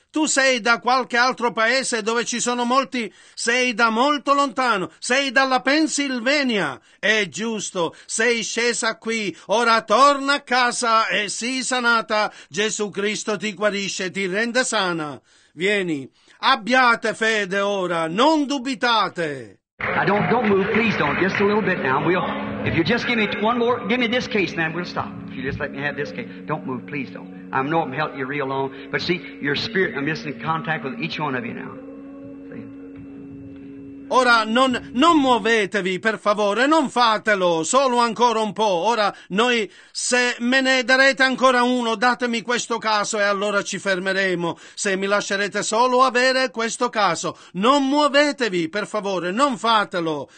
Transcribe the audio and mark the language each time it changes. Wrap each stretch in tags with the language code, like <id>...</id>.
<it>Tu sei da qualche altro paese dove ci sono molti, sei da molto lontano, sei dalla Pennsylvania. È giusto, sei scesa qui, ora torna a casa e sii sanata. Gesù Cristo ti guarisce, ti rende sana. Vieni, abbiate fede ora, non dubitate.</it> <en>Don't move, please don't, just a little bit now. We'll, if you just give me one more, give me this case, man, we'll stop. If you just let me have this case, don't move, please don't. I know I'm helping you real long, but see, your spirit, I'm just in contact with each one of you now. See?</en> <it>Ora, non muovetevi, per favore, non fatelo, solo ancora un po'. Ora, noi, se me ne darete ancora uno, datemi questo caso e allora ci fermeremo. Se mi lascerete solo avere questo caso, non muovetevi, per favore, non fatelo.</it>